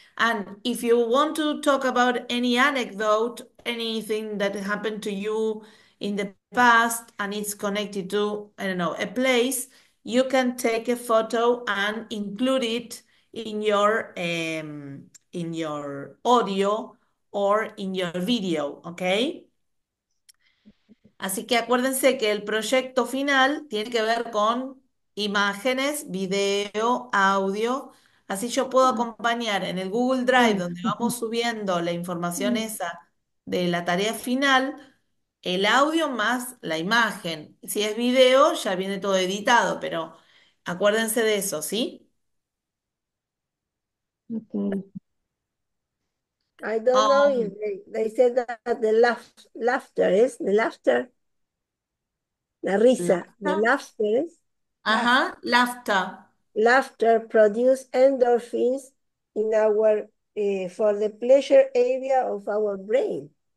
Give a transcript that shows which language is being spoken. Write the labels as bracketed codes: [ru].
[en] And if you want to talk about any anecdote, anything that happened to you in the past and it's connected to, I don't know, a place, you can take a photo and include it in your audio or in your video, okay? [es] Así que acuérdense que el proyecto final tiene que ver con imágenes, video, audio, Así yo puedo acompañar en el Google Drive donde vamos subiendo la información esa de la tarea final, el audio más la imagen. Si es video, ya viene todo editado, pero acuérdense de eso, ¿sí? [en] I don't know if they said that laughter is the laughter. [es] La risa, the [en] Laughter. laughter is laughter. Ajá, laughter. Laughter produce endorphins in our for the pleasure area of our brain.